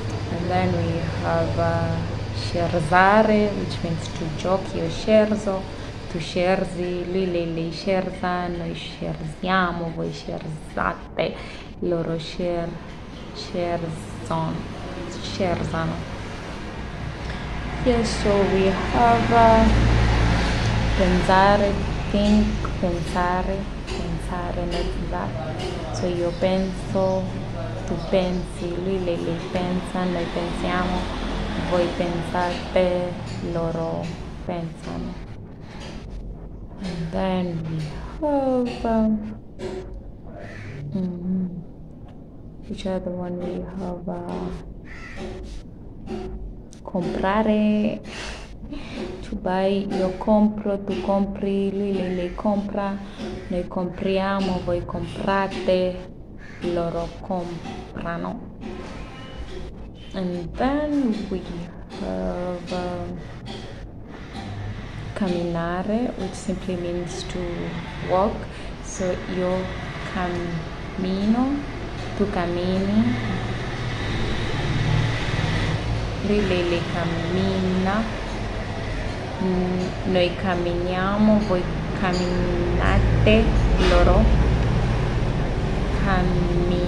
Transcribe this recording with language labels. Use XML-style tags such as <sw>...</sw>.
<en>And then we have scherzare, which means to joke,</en> <it>io scherzo, tu scherzi, lui lei scherza, noi scherziamo, voi scherzate, loro scherzano.</it> <en>Yes, so we have pensare, think, pensare, not that.</en> <it>So io penso, tu pensi, lui lei pensa, noi pensiamo, voi pensate, loro pensano.</it> <en>And then we have which other one we have comprare, to buy,</en> <it>io compro, tu compri, lui lei compra, noi compriamo, voi comprate, loro comprano.</it> <en>And then we have camminare, which simply means to walk.</en> <it>So io cammino, tu cammini, lui lei cammina, noi camminiamo, voi camminate, loro camminano.</it>